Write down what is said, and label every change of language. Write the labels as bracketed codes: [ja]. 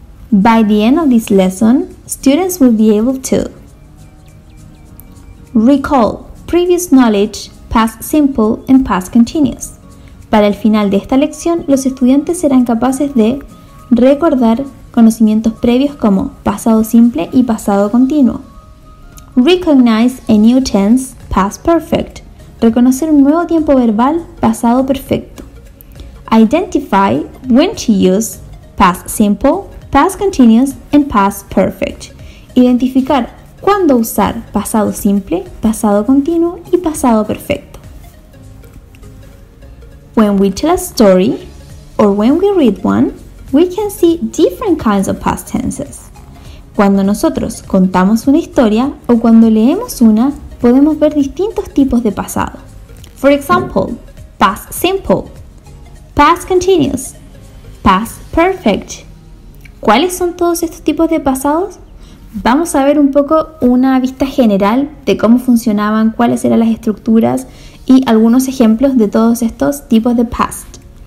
[en] By the end of this lesson, students will be able to recall previous knowledge, past simple and past continuous. [es] Para el final de esta lección, los estudiantes serán capaces de recordar conocimientos previos como pasado simple y pasado continuo. [en] Recognize a new tense, past perfect. [es] Reconocer un nuevo tiempo verbal, pasado perfecto. [en] Identify when to use, past simple, past continuous and past perfect. [es] Identificar cuándo usar pasado simple, pasado continuo y pasado perfecto. [en] When we tell a story or when we read one, we can see different kinds of past tenses. [es] Cuando nosotros contamos una historia o cuando leemos una, podemos ver distintos tipos de pasado. [en] For example, past simple, past continuous, past perfect. [es] ¿Cuáles son todos estos tipos de pasados? Vamos a ver un poco una vista general de cómo funcionaban, cuáles eran las estructuras y algunos ejemplos de todos estos tipos de past.